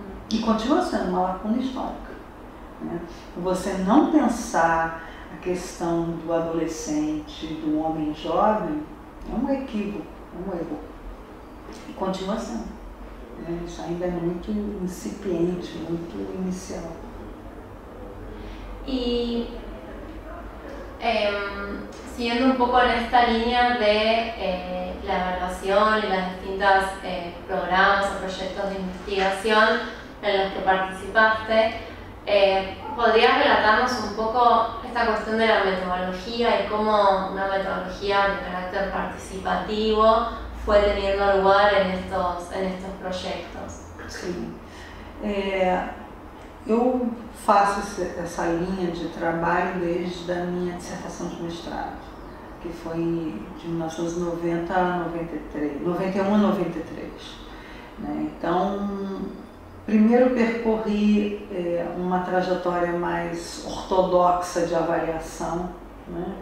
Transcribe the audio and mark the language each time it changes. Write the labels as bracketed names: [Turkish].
[Portuguese] E continua sendo uma lacuna histórica. Né? Você não pensar a questão do adolescente, do homem jovem, é um equívoco, é um erro. E continua sendo. né? Isso ainda é muito incipiente, muito inicial. [Spanish] E siguiendo un poco en esta línea de la evaluación y las distintas programas o proyectos de investigación en los que participaste, ¿podrías relatarnos un poco esta cuestión de la metodología y cómo una metodología de carácter participativo fue teniendo lugar en estos proyectos? Sí. [Portuguese] Eu faço essa linha de trabalho desde a minha dissertação de mestrado, que foi de 1991 a 93. Então, primeiro percorri uma trajetória mais ortodoxa de avaliação, né?